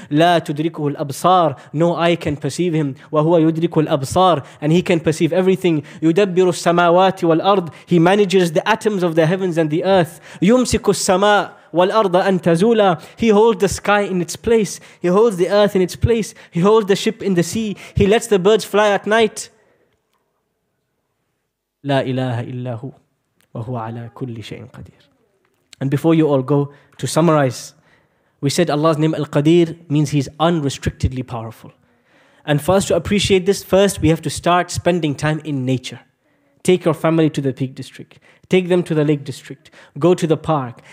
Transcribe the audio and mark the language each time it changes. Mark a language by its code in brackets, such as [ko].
[ar] لا تدركه الأبصار, [en] no eye can perceive him, [ar] وهو يدرك الأبصار, [en] and he can perceive everything, [ar] يدبر السماوات والأرض, [en] he manages the atoms of the heavens and the earth, [ar] يمسك السماء والأرض أن تزولا, [en] he holds the sky in its place, he holds the earth in its place, he holds the ship in the sea, he lets the birds fly at night. [ar] لا إله إلا هو وهو على كل شيء قدير. [en] And before you all go, to summarize, we said Allah's name Al-Qadir means He's unrestrictedly powerful. And for us to appreciate this, first we have to start spending time in nature. Take your family to the Peak District. Take them to the Lake District. Go to the park.